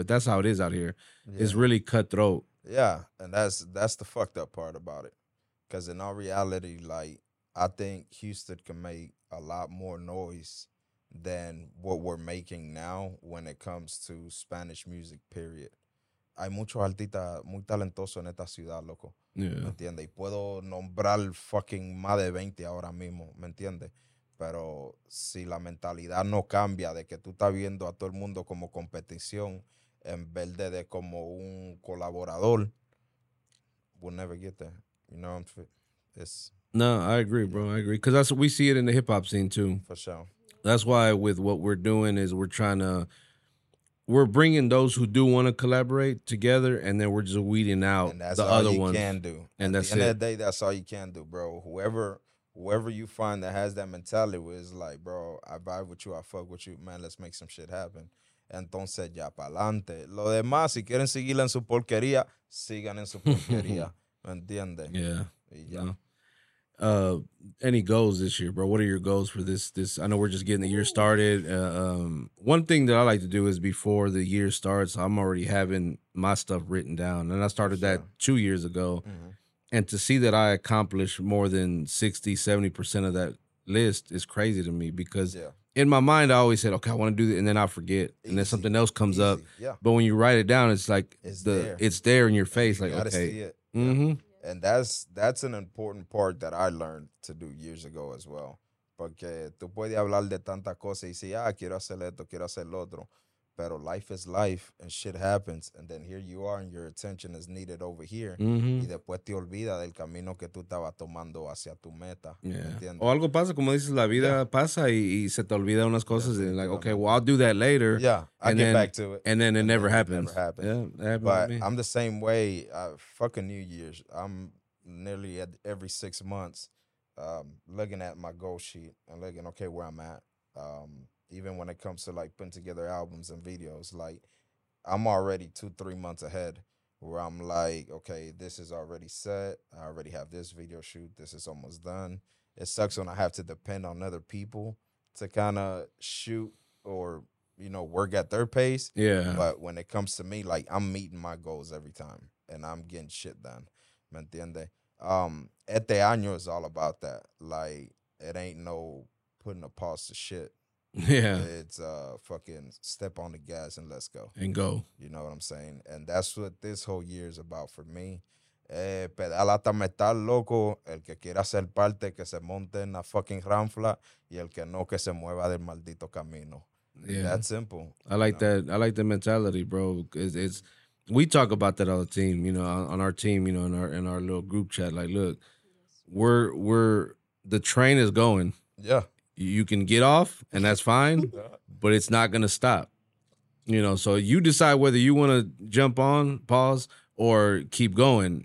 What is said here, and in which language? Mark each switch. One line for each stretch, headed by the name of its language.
English: But that's how it is out here. Yeah. It's really cutthroat. Yeah, and that's the fucked up part about it. Because in all reality, like, I think Houston can make a lot more noise than what we're making now when it comes to Spanish music, period.
Spanish: Hay muchos artistas muy talentosos en esta ciudad, loco.
English: Yeah.
Spanish: ¿Me entiendes? Y puedo nombrar fucking más de 20 ahora mismo, ¿me entiendes? Pero si la mentalidad no cambia de que tú estás viendo a todo el mundo como competición en vez de como un colaborador,
English: we'll never get there. You know what I'm saying? No, I agree, bro. I agree. Because that's, we see it in the hip-hop scene, too. For sure. That's why with what we're doing is we're trying to, we're bringing those who do want to collaborate together, and then we're just weeding out the other ones. And that's all you can do. And that's it. At the end of the day, that's all you can do, bro. Whoever you find that has that mentality where it's like, bro, I vibe with you, I fuck with you, man, let's make some shit happen.
Spanish: Entonces, ya pa'lante. Lo demás, si quieren seguir en su porquería, sigan en su porquería. ¿Me entiendes?
English: Yeah.
Spanish: Y ya.
English: Any goals this year, bro? What are your goals for this? I know we're just getting the year started. One thing that I like to do is before the year starts, I'm already having my stuff written down. And I started that 2 years ago. And to see that I accomplished more than 60, 70% of that list is crazy to me, because in my mind, I always said, okay, I want to do that. And then I forget. Easy. And then something else comes up. Yeah. But when you write it down, it's like it's there in your face. You like, okay. See it. Mm-hmm. Yeah. And that's an important part that I learned to do years ago as well.
Spanish: Porque tú puedes hablar de tantas cosas y decir, ah, quiero hacer esto, quiero hacer lo otro. Pero
English: life is life and shit happens. And then here you are and your attention is needed over here. Mm-hmm.
Spanish: Y después te olvidas del camino que tú estabas tomando hacia tu meta.
English: Yeah.
Spanish: O algo pasa, como dices, la vida pasa y se te olvida unas cosas.
English: Yeah, and like, okay, well, I'll do that later. Yeah, I'll get back to it. And then it never happens. Never happens. Yeah, but I'm the same way. Fucking New Year's. I'm nearly at every 6 months looking at my goal sheet and looking, okay, where I'm at. Even when it comes to like putting together albums and videos, like I'm already 2-3 months ahead where I'm like, okay, this is already set. I already have this video shoot. This is almost done. It sucks when I have to depend on other people to kind of shoot or, you know, work at their pace. Yeah. But when it comes to me, like I'm meeting my goals every time and I'm getting shit done.
Spanish: ¿Me entiende? Este año
English: is all about that. Like it ain't no putting a pause to shit. Yeah, it's fucking step on the gas and let's go and go, you know what I'm saying? And that's what this whole year is about for me,
Spanish: Pedal hasta metal, loco. El que quiera ser parte, que se monte en la fucking ranfla. Y el que no, que se mueva del maldito camino.
English: Yeah. That simple. I like that. I like the mentality, bro. It's we talk about that all the team, you know, on our team, you know, in our little group chat. Like, look, we're the train is going. Yeah. You can get off, and that's fine, but it's not going to stop. You know, so you decide whether you want to jump on, pause, or keep going.